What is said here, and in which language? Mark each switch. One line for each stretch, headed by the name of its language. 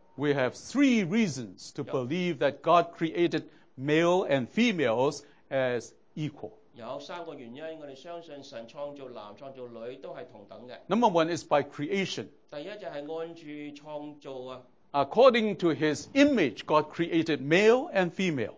English: We have three reasons to believe that God created male and females as equal.
Chinese: 有三个原因，我们相信神创造男创造女都是同等的。
English: Number one is by creation.
Chinese: 第一就是按住创造啊。
English: According to His image, God created male and female.